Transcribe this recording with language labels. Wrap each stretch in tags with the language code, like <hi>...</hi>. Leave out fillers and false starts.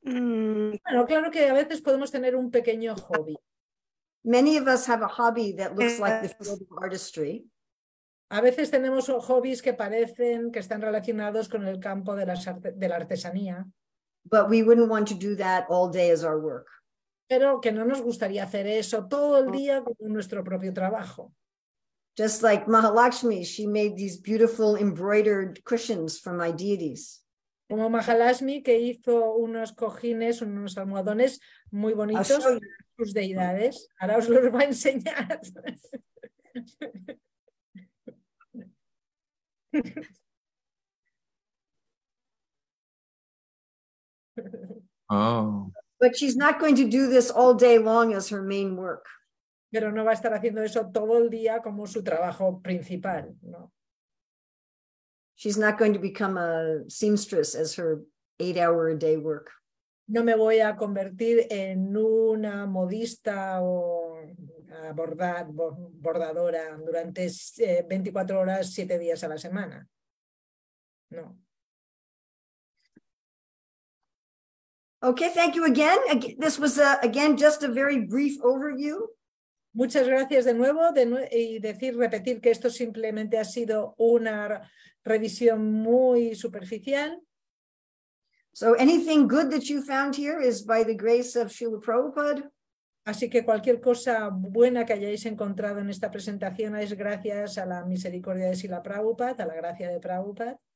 <es>Bueno, claro que a veces podemos tener un pequeño hobby.</es> <en>Many of us have a hobby that looks like the field of artistry.</en> <es>A veces tenemos hobbies que parecen que están relacionados con el campo de la artesanía.</es> <en>But we wouldn't want to do that all day as our work.</en> <es>Pero que no nos gustaría hacer eso todo el día como nuestro propio trabajo.</es> <en>Just like Mahalakshmi, she made these beautiful embroidered cushions for my deities.</en> <es>Como Mahalakshmi, que hizo unos cojines, unos almohadones muy bonitos para sus deidades. Ahora os los va a enseñar. Oh.</es> <en>But she's not going to do this all day long as her main work.</en> <es>Pero no va a estar haciendo eso todo el día como su trabajo principal, ¿no?</es> <en>She's not going to become a seamstress as her 8-hour a day work.</en> <es>No me voy a convertir en una modista o bordadora durante 24 horas, 7 días a la semana. No.</es> <en>Okay, thank you again. This was again just a very brief overview.</en> <es>Muchas gracias de nuevo repetir que esto simplemente ha sido una revisión muy superficial.</es> <en>So anything good that you found here is by the grace of Srila Prabhupada.</en> <es>Así que cualquier cosa buena que hayáis encontrado en esta presentación es gracias a la misericordia de Srila Prabhupada, a la gracia de Prabhupada.</es>